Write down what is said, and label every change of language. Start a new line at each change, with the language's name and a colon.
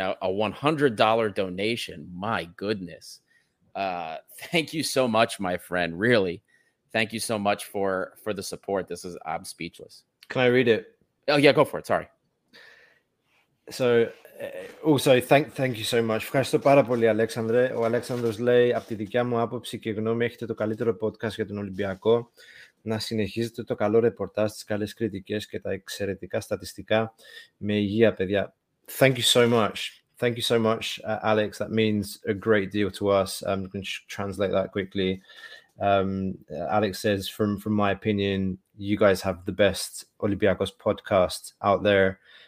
English: A $100 donation. My goodness. Thank you so much, my friend. Really. Thank you so much for the support. I'm speechless. Can I read it? Oh yeah, go for it. Sorry. So, also, thank you so much.
Greek: Ευχαριστώ πάρα πολύ, Αλέξανδρε. Ο Αλέξανδρος λέει, από τη δικιά μου άποψη και γνώμη, έχετε το καλύτερο podcast για τον Ολυμπιακό. Να συνεχίζετε το καλό ρεπορτάζ, τις καλές κριτικές και τα εξαιρετικά στατιστικά με υγεία, παιδιά.
English: Thank you so much. Thank you so much, Alex. That means a great deal to us. I'm going to translate that quickly. Alex says, from my opinion, you guys have the best Olympiacos podcast out there.